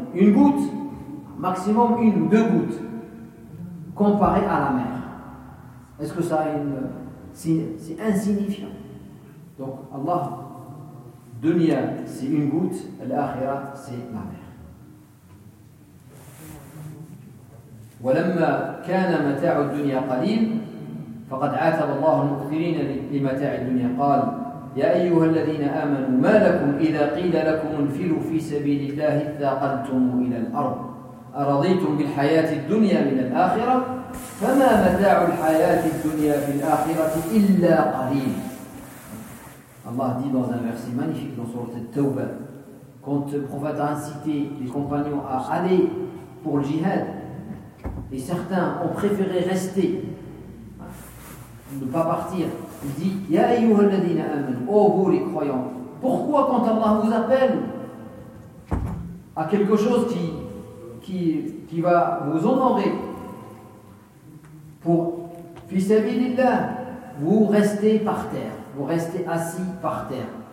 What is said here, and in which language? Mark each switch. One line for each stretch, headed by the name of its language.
French: Une goutte, maximum une ou deux gouttes, comparé à la mer. Est-ce que ça a une. C'est insignifiant. Donc, Allah, dunya, c'est une goutte, l'akhira, c'est la mer.
Arabic: ولما كان متاع الدنيا قليل فقد عاتب الله المكثرين لمتاع الدنيا قال يا ايها الذين امنوا ما لكم اذا قيل لكم انفروا في سبيل الله اثاقلتم الى الارض ارضيتم بالحياه الدنيا من الاخره فما متاع الحياه الدنيا في الاخره الا قليل الله
French: dit dans un verset magnifique dans sourate at-tauba quand le prophète a incité les compagnons à aller pour le jihad. Et certains ont préféré rester, ne pas partir. Il dit,
Arabic: Ya ayyuha alladhina amanu,
French: oh vous les croyants, pourquoi quand Allah vous appelle à quelque chose qui va vous honorer pour fi sabilillah, vous restez par terre, vous restez assis par terre.